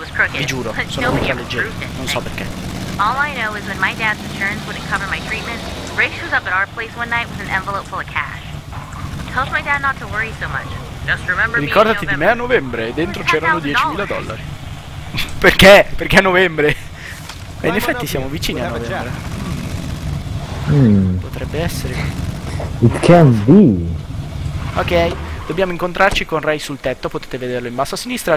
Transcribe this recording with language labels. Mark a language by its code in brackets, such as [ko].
[it] Vi giuro, sono ultra leggere, non so perché. [en] All I know is when my dad's insurance wouldn't cover my treatment, Ray shows up at our place one night with an envelope full of cash. Tells my dad not to worry so much. Just remember, [it] ricordati di me a novembre, dentro c'erano $10,000. Perché? Perché a novembre? E in effetti siamo vicini a novembre. Potrebbe essere. [en] It can be. [it] Ok, dobbiamo incontrarci con Ray sul tetto, potete vederlo in basso a sinistra.